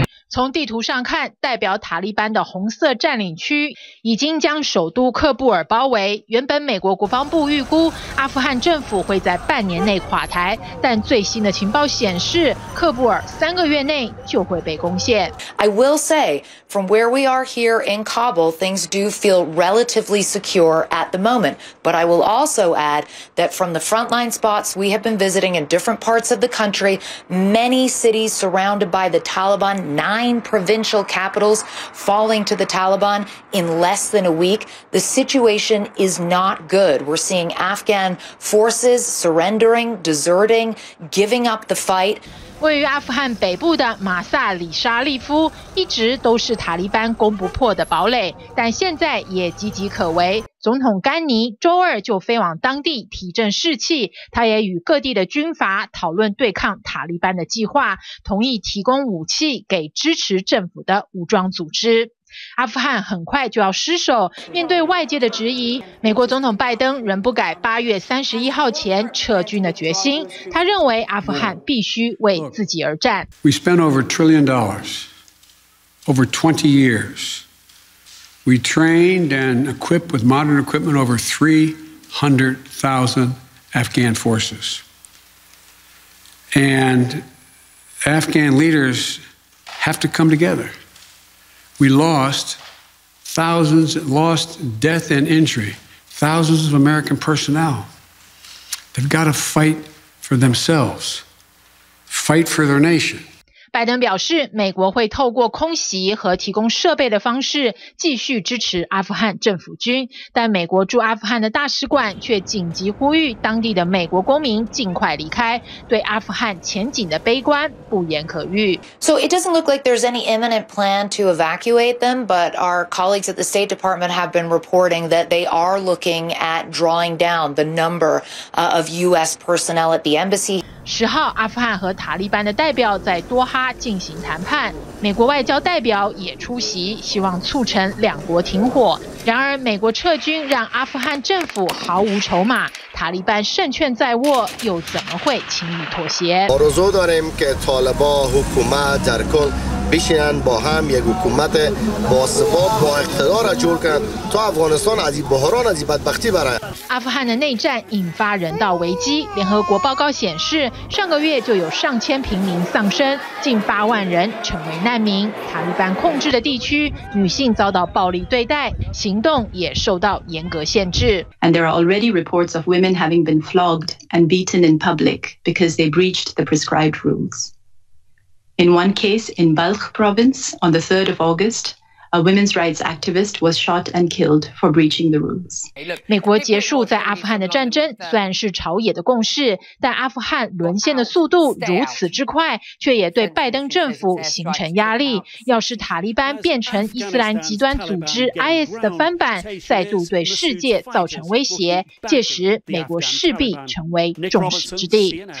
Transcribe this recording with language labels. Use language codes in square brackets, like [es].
[zh] 从地图上看，代表塔利班的红色占领区已经将首都喀布尔包围。原本美国国防部预估阿富汗政府会在半年内垮台，但最新的情报显示，喀布尔3个月内就会被攻陷。 [en] I will say, from where we are here in Kabul, things do feel relatively secure at the moment. But I will also add that from the frontline spots we have been visiting in different parts of the country, many cities surrounded by the Taliban, nine provincial capitals falling to the Taliban in less than a week. The situation is not good. We're seeing Afghan forces surrendering, deserting, giving up the fight. [zh] 位于阿富汗北部的马萨里沙利夫一直都是塔利班攻不破的堡垒，但现在也岌岌可危。总统甘尼周二就飞往当地提振士气，他也与各地的军阀讨论对抗塔利班的计划，同意提供武器给支持政府的武装组织。阿富汗很快就要失守，面对外界的质疑，美国总统拜登仍不改8月31号前撤军的决心。他认为阿富汗必须为自己而战。 [en] We spent over $1 trillion over 20 years. We trained and equipped with modern equipment over 300,000 Afghan forces. And Afghan leaders have to come together. We lost thousands, lost death and injury, thousands of American personnel. They've got to fight for themselves, fight for their nation. [zh] 拜登表示，美国会透过空袭和提供设备的方式继续支持阿富汗政府军，但美国驻阿富汗的大使馆却紧急呼吁当地的美国公民尽快离开，对阿富汗前景的悲观不言可喻。 [en] So it doesn't look like there's any imminent plan to evacuate them, but our colleagues at the State Department have been reporting that they are looking at drawing down the number of U.S. personnel at the embassy. [zh] 十号，阿富汗和塔利班的代表在多哈进行谈判，美国外交代表也出席，希望促成两国停火。然而，美国撤军让阿富汗政府毫无筹码，塔利班胜券在握，又怎么会轻易妥协？ [fa] بیشین با هم یک حکومت با ثبات با اقتدار جور کرد تا افغانستان از این بحران از این بدبختی برای [zh] افغان 的内战引发人道危机，联合国报告显示上个月就有上千平民丧生，近八万人成为难民，塔利班控制的地区女性遭到暴力对待，行动也受到严格限制。 [en] And there are already reports of women having been flogged and beaten in public because they breached the prescribed rulesIn one case in Balkh province on the 3rd of August, a women's rights activist was shot and killed for breaching the rules. [zh] 美国结束在阿富汗的战争虽然是朝野的共识，但阿富汗沦陷的速度如此之快，却也对拜登政府形成压力。要是塔利班变成伊斯兰极端组织 IS 的翻版，再度对世界造成威胁，届时美国势必成为众矢之的。